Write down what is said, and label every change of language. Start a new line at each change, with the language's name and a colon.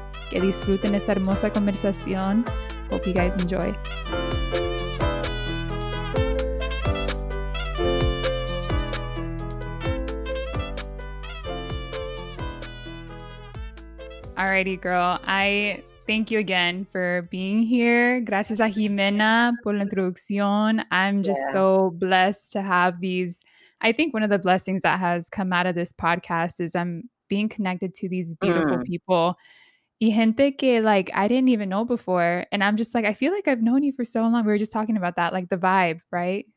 Spanish: Que disfruten esta hermosa conversación.
English: Hope you guys enjoy. Alrighty, girl. I thank you again for being here.
Spanish: Gracias a Jimena por la introducción.
English: I'm just so blessed to have these. I think one of the blessings that has come out of this podcast is I'm being connected to these beautiful people.
Spanish: Y gente que,
English: like, I didn't even know before. And I'm just like, I feel like I've known you for so long. We were just talking about that, like the vibe, right?